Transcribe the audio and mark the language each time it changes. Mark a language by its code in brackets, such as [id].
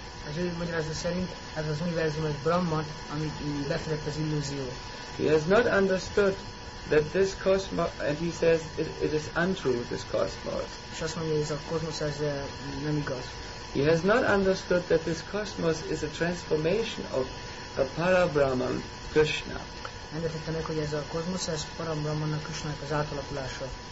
[hu] Az ő magyarázat szerint ez az univerzum egy Brahman, amit befedett az illúzió. [en] He has not understood that this cosmos, and he says it is untrue, this cosmos. [hu] Azt mondja, ez a kozmos ez nem igaz. [en] He has not understood that this cosmos is a transformation of a Parabrahman Krishna. [hu] Nem értette meg, hogy ez a kozmos ez Parabrahman Krishna az átalakulása.